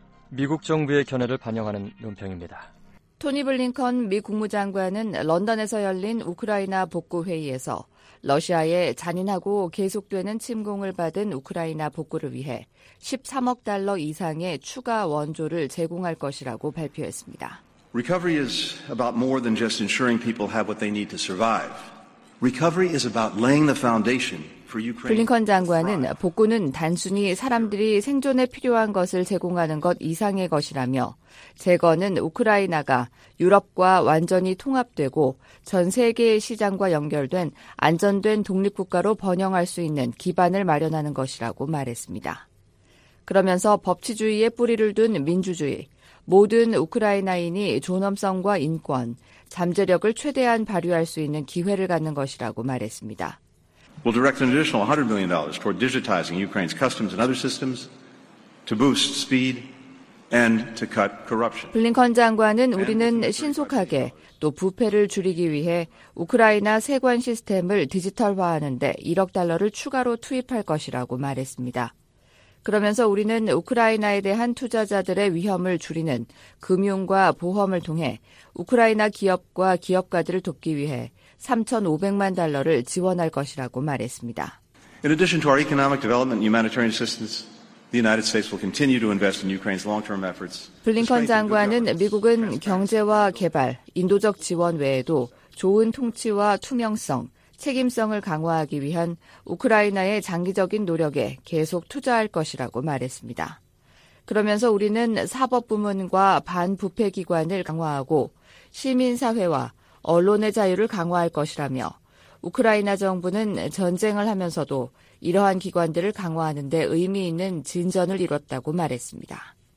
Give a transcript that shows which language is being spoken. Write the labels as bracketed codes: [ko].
[ko] 미국 정부의 견해를 반영하는 논평입니다. 토니 블링컨 미 국무장관은 런던에서 열린 우크라이나 복구 회의에서 러시아의 잔인하고 계속되는 침공을 받은 우크라이나 복구를 위해 13억 달러 이상의 추가 원조를 제공할 것이라고 발표했습니다. [en] Recovery is about more than just ensuring people have what they need to survive. Recovery is about laying the foundation for Ukraine. [ko] 블링컨 장관은 복구는 단순히 사람들이 생존에 필요한 것을 제공하는 것 이상의 것이라며 재건은 우크라이나가 유럽과 완전히 통합되고 전 세계의 시장과 연결된 안전된 독립국가로 번영할 수 있는 기반을 마련하는 것이라고 말했습니다. 그러면서 법치주의의 뿌리를 둔 민주주의, 모든 우크라이나인이 존엄성과 인권, 잠재력을 최대한 발휘할 수 있는 기회를 갖는 것이라고 말했습니다. [en] We'll direct an additional $100 million toward digitizing Ukraine's customs and other systems to boost speed and to cut corruption. [ko] 블링컨 장관은 우리는 신속하게 또 부패를 줄이기 위해 우크라이나 세관 시스템을 디지털화하는데 1억 달러를 추가로 투입할 것이라고 말했습니다. 그러면서 우리는 우크라이나에 대한 투자자들의 위험을 줄이는 금융과 보험을 통해 우크라이나 기업과 기업가들을 돕기 위해 3,500만 달러를 지원할 것이라고 말했습니다. [en] In addition to our economic development and humanitarian assistance, the United States will continue to invest in Ukraine's long-term efforts. [ko] 블링컨 장관은 미국은 경제와 개발, 인도적 지원 외에도 좋은 통치와 투명성, 책임성을 강화하기 위한 우크라이나의 장기적인 노력에 계속 투자할 것이라고 말했습니다. 그러면서 우리는 사법 부문과 반부패 기관을 강화하고 시민사회와 언론의 자유를 강화할 것이라며 우크라이나 정부는 전쟁을 하면서도 이러한 기관들을 강화하는 데 의미 있는 진전을 이뤘다고 말했습니다.